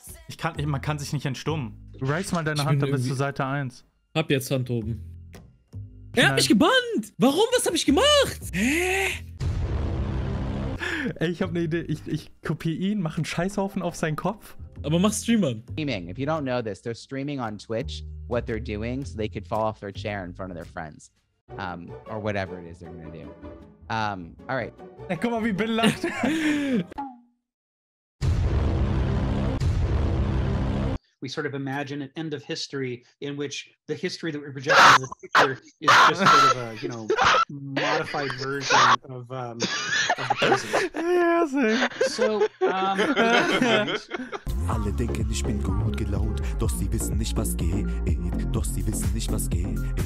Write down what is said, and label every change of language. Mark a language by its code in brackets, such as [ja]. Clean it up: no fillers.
[de] Ich kann nicht, man kann sich nicht entstummen. Raise mal deine Hand, dann bist du Seite 1. Hab jetzt Hand oben. Er hat mich gebannt! Warum? Was hab ich gemacht? Hä? Ey, ich hab ne Idee. Ich kopiere ihn, mach einen Scheißhaufen auf seinen Kopf. Aber mach Streamer. [en] Streaming. If you don't know this, they're streaming on Twitch, what they're doing, so they could fall off their chair in front of their friends. Or whatever it is they're gonna do. Alright. [de] Ey, guck mal, wie Bill lacht. [en] We sort of imagine an end of history in which the history that we project as a future is just sort of a, you know, modified version of the present. [de] Alle denken, ich bin gut gelaunt, doch sie wissen nicht, was geht. Doch sie wissen nicht, was geht.